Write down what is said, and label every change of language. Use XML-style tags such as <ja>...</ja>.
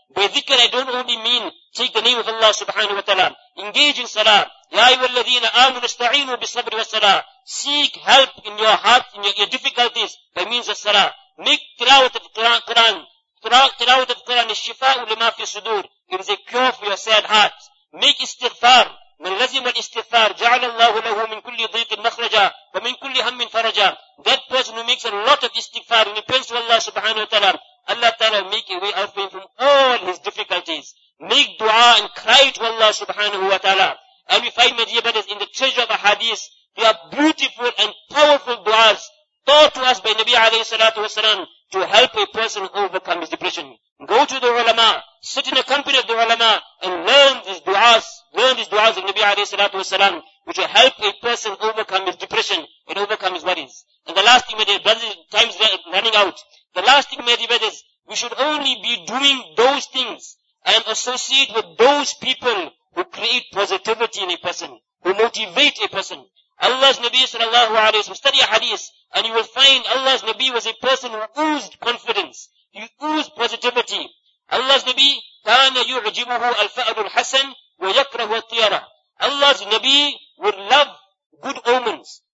<en>By dhikr, I don't only mean take the name of Allah subhanahu wa ta'ala. Engage in salah.</en> <ar>Ya ayyuhalladhina amanu ista'inu bisabri wa salah.</ar> <en>Seek help in your heart, in your difficulties, by means of salah. Make tilawat of Quran. Tilawat of Quran is</en> <ar>shifa'u lima fi sudur.</ar> <en>It is a cure for your sad heart. Make istighfar.</en> <ar>من لزم الاستغفار جعل الله له من كل ضيق مخرجا ومن كل هم فرجا.</ar> <en>That person who makes a lot of istighfar and repents to Allah subhanahu wa ta'ala, Allah ta'ala will make a way out for him from all his difficulties. Make dua and cry to Allah subhanahu wa ta'ala. And we find, my dear brothers, in the treasure of a hadith, there are beautiful and powerful duas taught to us by Nabi alayhi salatu wa salam to help a person overcome his depression. Go to the ulama, sit in the company of the ulama, and learn these duas of Nabi alayhi salatu wa salam, which will help a person overcome his depression and overcome his worries. And the last thing, my dear brothers, time is running out. The last thing, my dear brothers, we should only be doing those things and associate with those people who create positivity in a person, who motivate a person. Allah's Nabi sallallahu alayhi wa sallam, study a hadith, and you will find Allah's Nabi was a person who oozed confidence. He oozed positivity. Allah's Nabi,</en> <ar>كَانَ يُعْجِبُهُ الْفَأْلُ الْحَسَنُ وَيَكْرَهُ الْطِيَرَةُ.</ar> <en>Allah's Nabi would love good omens.</en>